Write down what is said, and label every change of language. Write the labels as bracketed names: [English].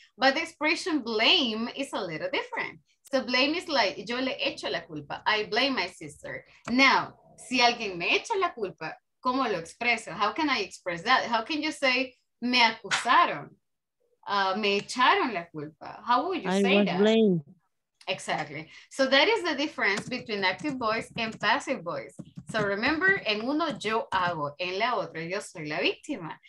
[English] But the expression blame is a little different. So blame is like, [Spanish] yo le echo la culpa. [English] I blame my sister. Now, [Spanish] si alguien me echa la culpa, ¿cómo lo expreso? [English] How can I express that? How can you say, [Spanish] me acusaron? Me echaron la culpa. [English] How would you say that? I was blamed. Exactly. So that is the difference between active voice and passive voice. So remember, [Spanish] en uno yo hago, en la otra yo soy la víctima.